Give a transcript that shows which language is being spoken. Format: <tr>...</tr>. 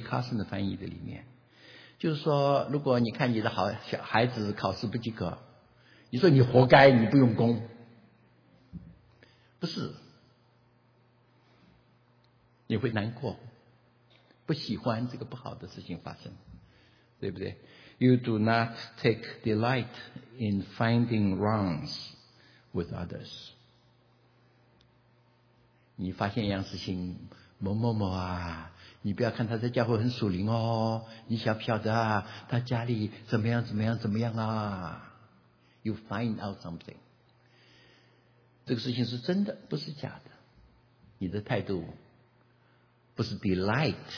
<zh>Carson 的翻译的里面，就是说如果你看你的好小孩子考试不及格，你说你活该，你不用功，不是，你会难过，不喜欢这个不好的事情发生，对不对？</zh> <en>You do not take delight in finding wrongs with others.</en> <zh>你发现一样事情，某某某你不要看他在教会很属灵哦，你晓不晓得他家里怎么样怎么样怎么样啊？</zh> <en>You find out something.</en> <zh>这个事情是真的，不是假的。你的态度不是 delight.</zh>